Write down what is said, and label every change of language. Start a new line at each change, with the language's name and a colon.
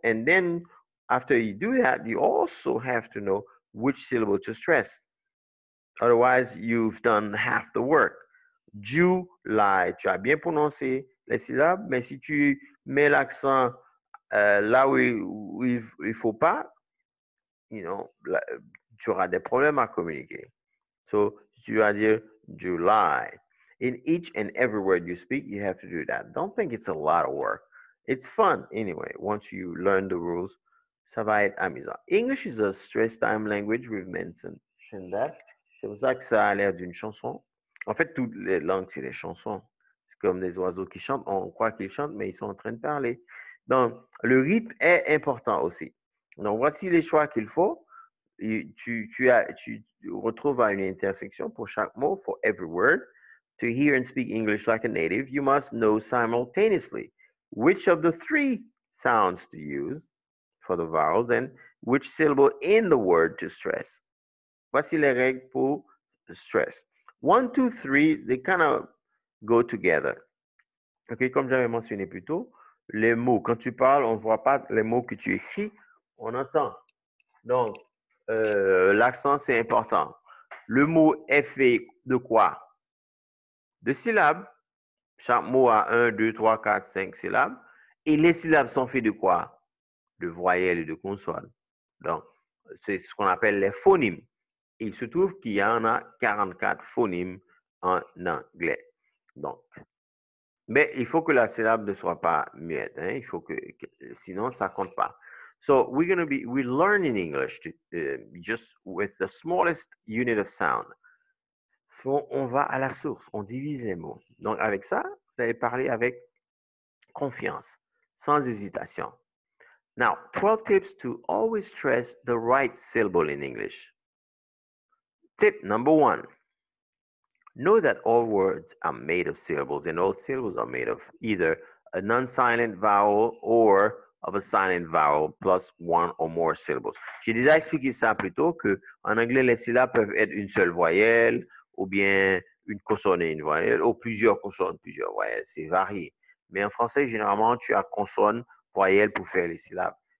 English: And then, after you do that, you also have to know which syllable to stress. Otherwise, you've done half the work.
French: July, tu as bien prononcé les syllabes, mais si tu mets l'accent là où il ne faut pas, là, tu auras des problèmes à communiquer. So tu vas dire July.
English: In each and every word you speak, you have to do that. Don't think it's a lot of work. It's fun anyway. Once you learn the rules,
French: ça va être amusant.
English: English is a stress time language, we've mentioned that.
French: C'est pour ça que ça a l'air d'une chanson. En fait, toutes les langues, c'est des chansons. C'est comme des oiseaux qui chantent. On croit qu'ils chantent, mais ils sont en train de parler. Donc, le rythme est important aussi. Donc, voici les choix qu'il faut. Tu retrouves à une intersection pour chaque mot,
English: for every word. To hear and speak English like a native, you must know simultaneously which of the three sounds to use for the vowels and which syllable in the word to stress.
French: Voici les règles pour stress.
English: One, two, three, they kind of go together.
French: OK, comme j'avais mentionné plus tôt, les mots, quand tu parles, on ne voit pas les mots que tu écris, on entend. Donc, l'accent, c'est important. Le mot est fait de quoi? De syllabes. Chaque mot a un, deux, trois, quatre, cinq syllabes. Et les syllabes sont faites de quoi? De voyelles et de consonnes. Donc, c'est ce qu'on appelle les phonèmes. Il se trouve qu'il y en a 44 phonèmes en anglais. Donc, mais il faut que la syllabe ne soit pas muette. Hein? Il faut que sinon, ça ne compte pas.
English: So, we're learning English just with the smallest unit of sound.
French: On va à la source, on divise les mots. Donc, avec ça, vous allez parler avec confiance, sans hésitation.
English: Now, 12 tips to always stress the right syllable in English. Tip number one. Know that all words are made of syllables, and all syllables are made of either a non-silent vowel or of a silent vowel plus one or more syllables.
French: J'ai déjà expliqué ça plus tôt qu'en anglais, les syllabes peuvent être une seule voyelle, ou bien une consonne et une voyelle, ou plusieurs consonnes, plusieurs voyelles, c'est varié. Mais en français, généralement, tu as consonne, voyelle pour faire les syllabes.